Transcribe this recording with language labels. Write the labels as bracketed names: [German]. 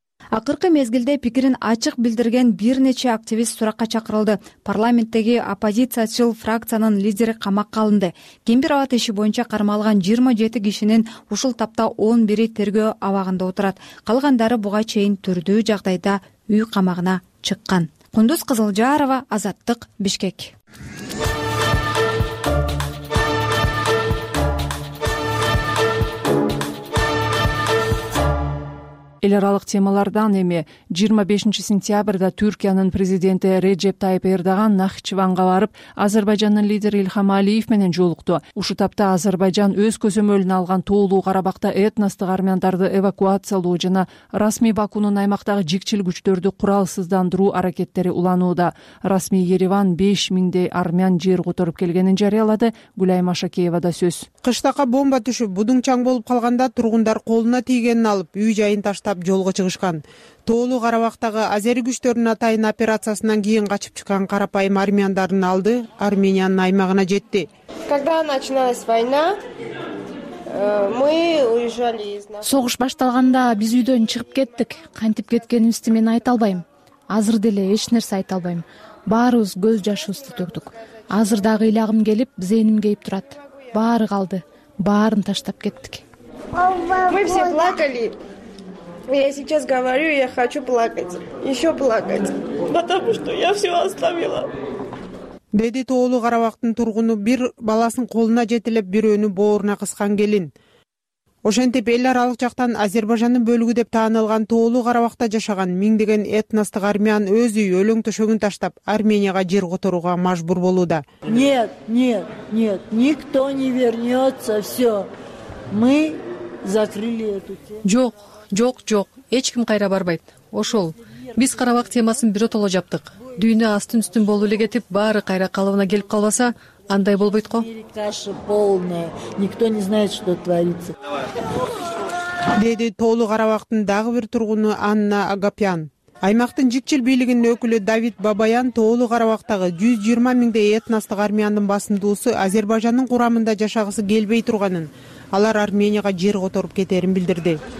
[Kyrgyz] Акыркы мезгилде пикирин ачык билдирген бир нече активист суракка чакырылды. Парламенттеги оппозициячыл фракциянын лидери камакка алынды. Кембирабат иши боюнча кармалган 27 кишинин ушул тапта 11 тергөө абагында отурат. Калгандары буга чейин түрдүү жагдайда үй камагына чыккан. Кундуз Кызылжарова, Азаттык, Бишкек. Эл аралык темалардан эми 25 сентябрда Түркиянын президенти Реджеп Тайып Эрдоган Нахчыванга барып, Азербайжандын лидери Илхам Алиев менен жолукту. Ушу тапта Азербайжан өз көзөмөлүнө алган Тоолуу Карабакта этностук армяндарды эвакуациялоо жана расмий Бакунун аймактагы жикчил күчтөрдү куралсыздандыруу аракеттери уланууда. Расмий Ереван 5000 армян жер которуп келгенин жарыялады. Гүлайма Шакеевада сөз. Кыштакка бомба түшүп, будуң чаң болуп калганда тургундар колуна тийгенин алып, үй жайын таштап жолго чыгышкан. Тоолуу Карабактагы азери күчтөрүнүн атайын операциясынан кийин качып чыккан карапайым армяндардын алды Армениянын аймагына жетти. [Russian] Когда началась война, мы уезжали из нас. [Kyrgyz] Согуш башталганда биз үйдөн чыгып кеттик. Кантип кеткенибизди мен айта албайм. Азыр деле эч нерсе айта албайм. Баарыбыз көз жашыбызды төктүк. Азыр дагы ыйлагым келип, зээним кейип турат. Баары калды. Баарын таштап кеттик. [Russian] Мы все плакали. Я сейчас говорю, я хочу плакать, еще плакать, потому что я все оставила. [Kyrgyz] Деди Тоолуу Карабактын тургуну бир баласын колуна жетилеп бирөөнү бооруна кыскан келин. Ошентип эл аралык жактан Азербайжандын бөлүгү деп таанылган Тоолуу Карабакта жашаган миңдеген этностук армян өз үй өлөң төшөгүн таштап Арменияга жер которууга мажбур болууда. [Russian] Нет, нет, нет, никто не вернется, все, мы закрыли эту тему. [Kyrgyz] Жок. Жок, жок, эч ким кайра барбайт. Ошол, биз Карабак темасын биротоло жаптык. Дүйнө астын үстүн болуп эле кетип, баары кайра калыбына келип калбаса, андай болбойт го. [Russian] Каша полная, никто не знает, что творится. [Kyrgyz] Деди Тоолуу Карабактын дагы бир тургуну Анна Агапян. Аймактын жикчил бийлигинин өкүлү Давид Бабаян Тоолуу Карабактагы 120 000 этностук армяндын басымдуусу Азербайжандын курамында жашагысы келбей турганын, алар Арменияга жер которуп кетерин билдирди.